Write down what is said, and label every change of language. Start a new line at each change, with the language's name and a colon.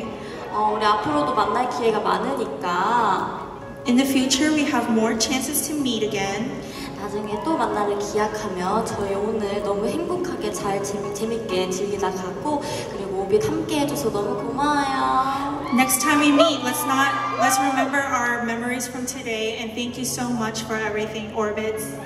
English: In the future, we have more chances to meet again.
Korean: 나중에 또 만나는 기약하며 저희 오늘 너무 행복하게 잘 재밌게 즐기다 갔고 그리고 오빛 함께 해줘서 너무 고마워요.
English: Next time we meet, let's remember our memories from today and thank you so much for everything, Orbits.